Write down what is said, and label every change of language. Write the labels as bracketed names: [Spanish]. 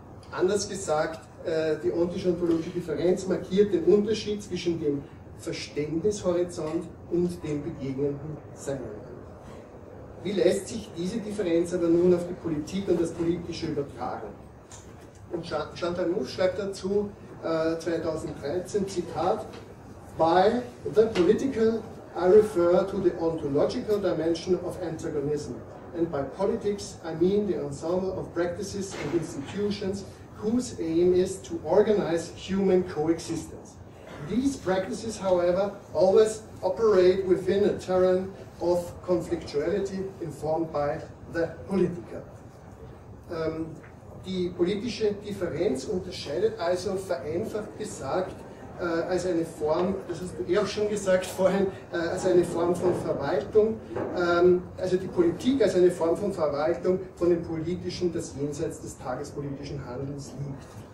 [German] Anders gesagt, die ontisch-ontologische Differenz markiert den Unterschied zwischen dem Verständnishorizont und dem begegnenden Sein. Wie lässt sich diese Differenz aber nun auf die Politik und das Politische übertragen? Und Chantal Mouffe schreibt dazu 2013, Zitat, [English] By the political I refer to the ontological dimension of antagonism and by politics I mean the ensemble of practices and institutions whose aim is to organize human coexistence. These practices, however, always operate within a terrain of conflictuality informed by the political. [German] Die politische Differenz unterscheidet also, vereinfacht gesagt, als eine Form, das hast du eh auch schon gesagt vorhin, als eine Form von Verwaltung, also die Politik als eine Form von Verwaltung von dem Politischen, das jenseits des tagespolitischen Handelns liegt.